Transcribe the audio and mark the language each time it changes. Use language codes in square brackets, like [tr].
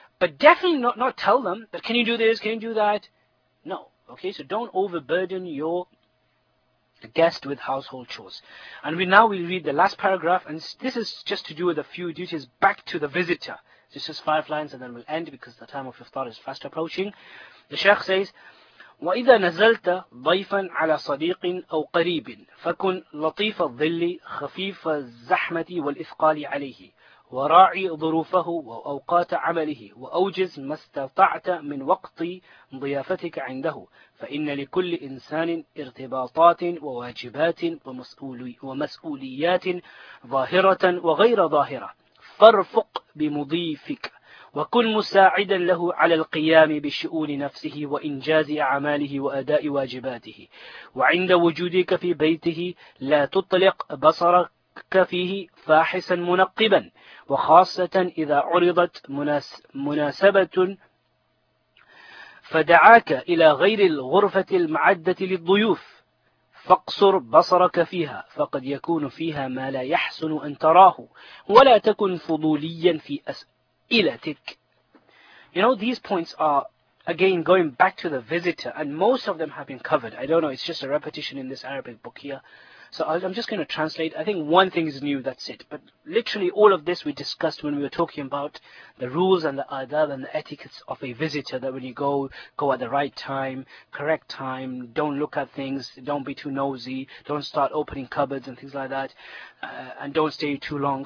[en] But definitely not tell them that, can you do this, can you do that? No, okay? So don't overburden your guest with household chores. And we'll read the last paragraph, and this is just to do with a few duties back to the visitor. This is five lines and then we'll end because the time of iftar is fast approaching. The Shaykh says, [ar] وَإِذَا نَزَلْتَ ضَيْفًا عَلَى صَدِيقٍ أَوْ قَرِيبٍ فَكُنْ لَطِيفَ الظِّلِّ خَفِيفَ الزَّحْمَةِ وَالْإِثْقَالِ عَلَيْهِ وَرَاعِي ظُرُوفَهُ وَأَوْقَاتَ عَمَلِهِ وَأَوْجِزْ مَا اسْتَطَعْتَ مِنْ وَقْتِ ضِيَافَتِكَ عِنْدَهُ فَإِنَّ لِكُلِّ إِنسَانٍ إِرْتِبَاطَاتٍ وَوَاجِبَاتٍ وَمَسْئُولِيَاتٍ ظَاهِرَةً وَغَيْرَ ظَاهِرَةً فارفق بمضيفك وكن مساعدا له على القيام بشؤون نفسه وإنجاز أعماله وأداء واجباته وعند وجودك في بيته لا تطلق بصرك فيه فاحسا منقبا وخاصة إذا عرضت مناسبة فدعاك إلى غير الغرفة المعدة للضيوف فاقصر بصرك فيها فقد يكون فيها ما لا يحسن أن تراه ولا تكن فضوليا في أسئلتك. [en] You know, these points are again going back to the visitor, and most of them have been covered. I don't know, it's just a repetition in this Arabic book here, so I'm just going to translate. I think one thing is new, that's it, but literally all of this we discussed when we were talking about the rules and the adab and the etiquettes of a visitor, that when you go at the right time, correct time, don't look at things, don't be too nosy, don't start opening cupboards and things like that, and don't stay too long.